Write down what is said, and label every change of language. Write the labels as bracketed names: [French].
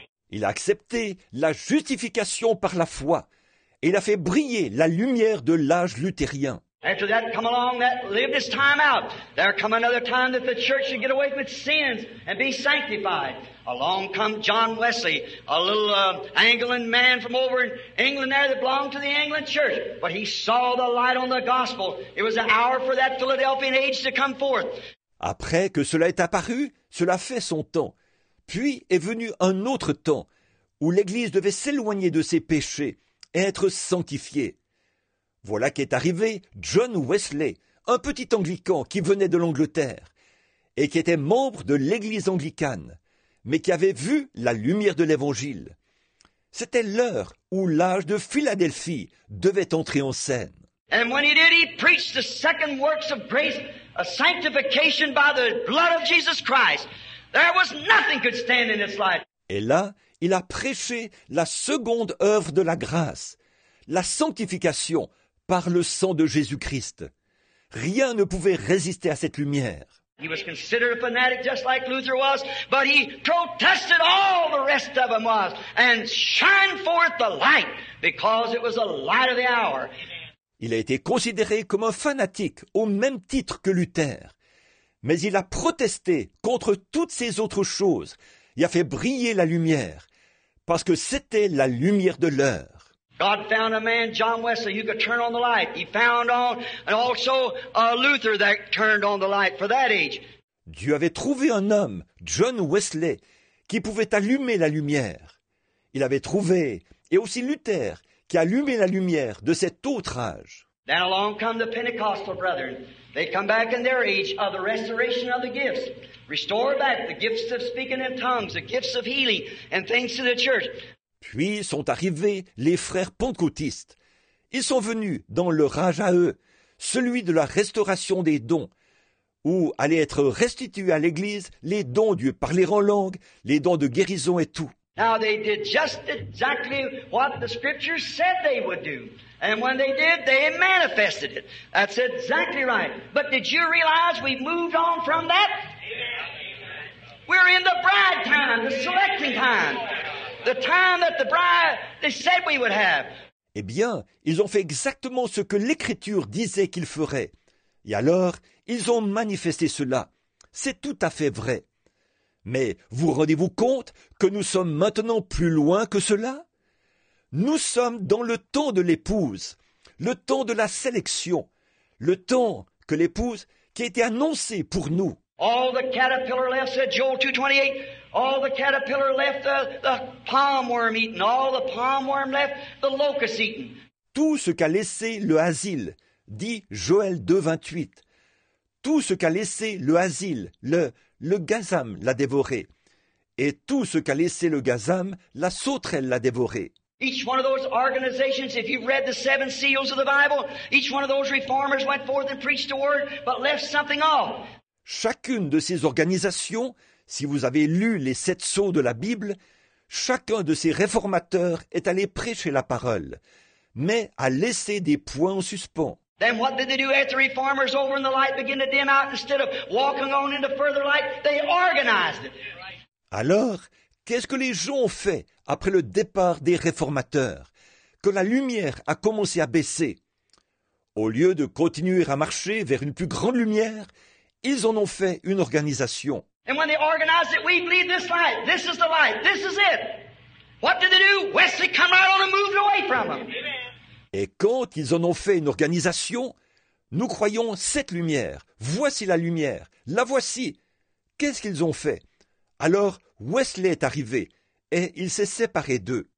[French] Il a accepté la justification par la foi et il a fait briller la lumière de l'âge luthérien. [English] After that, come along that lived his time out. There come another time that the church should get away from its sins and be sanctified. Along come John Wesley, a little Anglican man from over in England there that belonged to the Anglican church. But he saw the light on the gospel. It was the hour for that Philadelphian age to come forth. [French] Après que cela est apparu, cela fait son temps. Puis est venu un autre temps où l'Église devait s'éloigner de ses péchés et être sanctifiée. Voilà qu'est arrivé John Wesley, un petit Anglican qui venait de l'Angleterre et qui était membre de l'Église anglicane, mais qui avait vu la lumière de l'Évangile. C'était l'heure où l'âge de Philadelphie devait entrer en scène. [English] And when he did, he preached the second works of grace, a sanctification by the blood of Jesus Christ. There was nothing could stand in its light. [French] Et là, il a prêché la seconde œuvre de la grâce, la sanctification par le sang de Jésus-Christ. Rien ne pouvait résister à cette lumière. [English] He was considered a fanatic just like Luther was, but he protested all the rest of them was and shined forth the light because it was the light of the hour. [French] Il a été considéré comme un fanatique au même titre que Luther, mais il a protesté contre toutes ces autres choses et a fait briller la lumière parce que c'était la lumière de l'heure. [English] God found a man, John Wesley, who could turn on the light. He found on, and also Luther that turned on the light for that age. [French] Dieu avait trouvé un homme, John Wesley, qui pouvait allumer la lumière. Il avait trouvé, et aussi Luther, qui allumait la lumière de cet autre âge. [English] Then along come the Pentecostal brethren. They come back in their age of the restoration of the gifts. Restore back the gifts of speaking in tongues, the gifts of healing, and things to the church. [French] Puis sont arrivés les frères pentecôtistes. Ils sont venus dans leur âge à eux, celui de la restauration des dons, où allaient être restitués à l'Église les dons du parler en langue, les dons de guérison et tout. [English] Now they did just exactly what the scriptures said they would do. And when they did, they manifested it. That's exactly right. But did you realize we've moved on from that? We're in the bride time, the selecting time. The time that the bride, they said we would have. [French] Eh bien, ils ont fait exactement ce que l'Écriture disait qu'ils feraient. Et alors, ils ont manifesté cela. C'est tout à fait vrai. Mais vous rendez-vous compte que nous sommes maintenant plus loin que cela? Nous sommes dans le temps de l'épouse, le temps de la sélection, le temps que l'épouse qui a été annoncée pour nous. [English] All the caterpillar left, said Joel 2:28. All the caterpillar left the palm worm eating. All the palm worm left the locust eating. [French] Tout ce qu'a laissé le asile, dit Joël 2:28. Tout ce qu'a laissé le asile, le gazam l'a dévoré. Et tout ce qu'a laissé le gazam, la sauterelle l'a dévoré. [English] Each one of those organizations, if you've read the seven seals of the Bible, each one of those reformers went forth and preached the word, but left something off. [French] Chacune de ces organisations, si vous avez lu les sept sceaux de la Bible, chacun de ces réformateurs est allé prêcher la parole, mais a laissé des points en suspens. [English] Then what did they do after the reformers over in the light began to dim out instead of walking on into further light? They organized it. [French] Alors, qu'est-ce que les gens ont fait après le départ des réformateurs, que la lumière a commencé à baisser? Au lieu de continuer à marcher vers une plus grande lumière, ils en ont fait une organisation. [English] And when they organized it, we believe this light. This is the light. This is it. What did they do? Wesley come right on and moved away from them. Amen. [French] Et quand ils en ont fait une organisation, nous croyons cette lumière. Voici la lumière. La voici. Qu'est-ce qu'ils ont fait? Alors Wesley est arrivé et il s'est séparé d'eux.